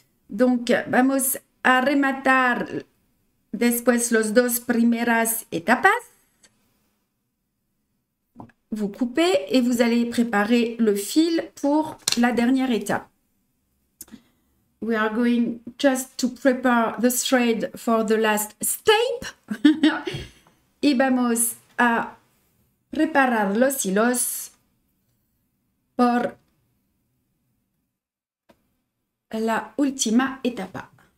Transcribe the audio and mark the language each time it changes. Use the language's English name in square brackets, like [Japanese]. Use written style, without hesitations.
[French] Donc, [Spanish] vamos a rematar después los dos primeras etapas. [French] Vous coupez et vous allez préparer le fil pour la dernière étape. [English] We are going just to prepare the thread for the last step. [Spanish] Y vamos a preparar los hilos por la última etapa.